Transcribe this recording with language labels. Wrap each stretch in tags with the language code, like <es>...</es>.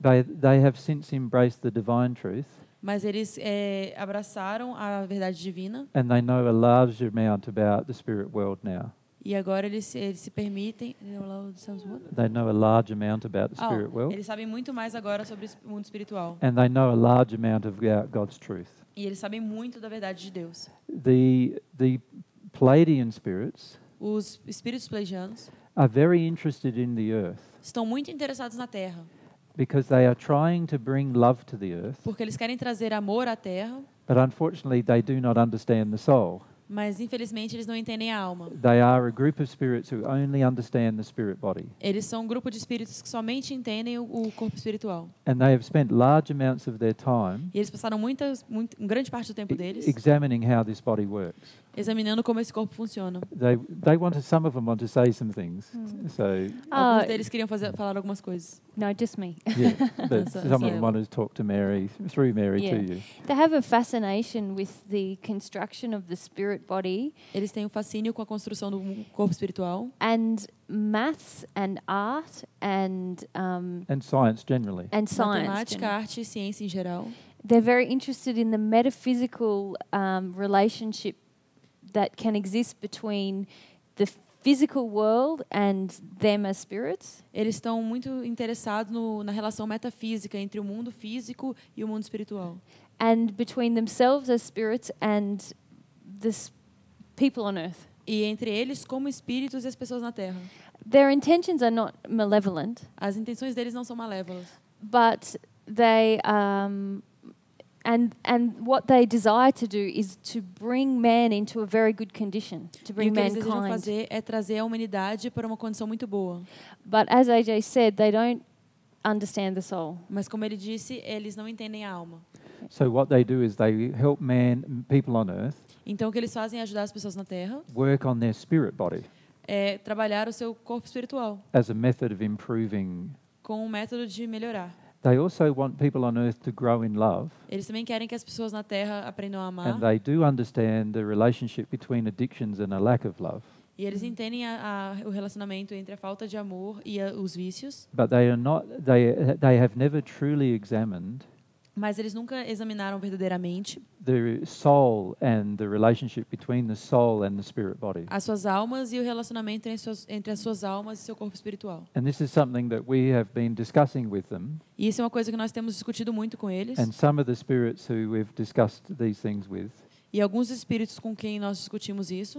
<en>They have since embraced the divine truth.</en> <pt>Mas eles abraçaram a verdade divina.</pt> <en>And they know a large amount about the spirit world now.</en> <pt>E agora eles se permitem.</pt> <en>They know a large amount about the spirit world.</en> <pt>Eles sabem muito mais agora sobre o mundo espiritual.</pt> <en>And they know a large amount of God's truth.</en> <pt>E eles sabem muito da verdade de Deus.</pt> <en>The Pleiadian spirits.</en> <pt>Os espíritos pleidianos.</pt> <en>Are very interested in the earth.</en> <pt>Estão muito interessados na terra.</pt> <en>Because they are trying to bring love to the earth.</en> <pt>Porque eles querem trazer amor à terra.</pt> <en>But unfortunately, they do not understand the soul.</en> <pt>Mas infelizmente eles não entendem a alma.</pt> <en>They are a group of spirits who only understand the spirit body.</en> <pt>Eles são grupo de espíritos que somente entendem o corpo espiritual.</pt> <en>And they have spent large amounts of their time.</en> <pt>E eles passaram grande parte do tempo deles.</pt> <en>Examining how this body works.</en> <pt>Examinando como esse corpo funciona.</pt> <en>They want to, some of them want to say some things. Mm. So</en> <pt>alguns deles queriam falar algumas coisas.</pt> <en>No, just me. Yeah, but some of them want to talk to Mary, through Mary to you. They have a fascination with the construction of the spirit body.</en> <pt>Eles têm fascínio com a construção do corpo espiritual.</pt> <en>And maths and art and and science generally. And science.</en> <pt>Matemática, arte e ciência em geral.</pt> <en>They're very interested in the metaphysical relationship that can exist between the physical world and them as spirits.</en> <pt>Eles estão muito interessados na relação metafísica entre o mundo físico e o mundo espiritual.</pt> <en>And between themselves as spirits and the people on earth.</en> <pt>E entre eles como espíritos e as pessoas na terra.</pt> <en>Their intentions are not malevolent.</en> <pt>As intenções deles não são malévolas.</pt> <en>But they And what they desire to do is to bring man into a very good condition, to bring mankind.</en> <pt>E o que eles desejam fazer é trazer a humanidade para uma condição muito boa.</pt> <en>But as AJ said, they don't understand the soul.</en> <pt>Mas como ele disse, eles não entendem a alma.</pt> <en>So what they do is they help man, people on earth.</en> <pt>Então o que eles fazem é ajudar as pessoas na terra.</pt> <en>Work on their spirit body.</en> <pt>É trabalhar o seu corpo espiritual.</pt> <en>As a method of improving.</en> <pt>Com um método de melhorar.</pt> <en>They also want people on earth to grow in love.</en> <pt>Eles também querem que as pessoas na terra aprendam a amar.</pt> <en>And they do understand the relationship between addictions and a lack of love.</en> <pt>E eles entendem o relacionamento entre a falta de amor e os vícios.</pt> <en>But they are not, they have never truly examined.</en> <pt>Mas eles nunca examinaram verdadeiramente.</pt> <en>The soul and the relationship between the soul and the spirit body.</en> <pt>As suas almas e o relacionamento entre as suas almas e seu corpo espiritual.</pt> <en>And this is something that we have been discussing with them.</en> <pt>E isso é uma coisa que nós temos discutido muito com eles.</pt> <en>And some of the spirits who we've discussed these things with.</en> <pt>E alguns espíritos com quem nós discutimos isso</pt>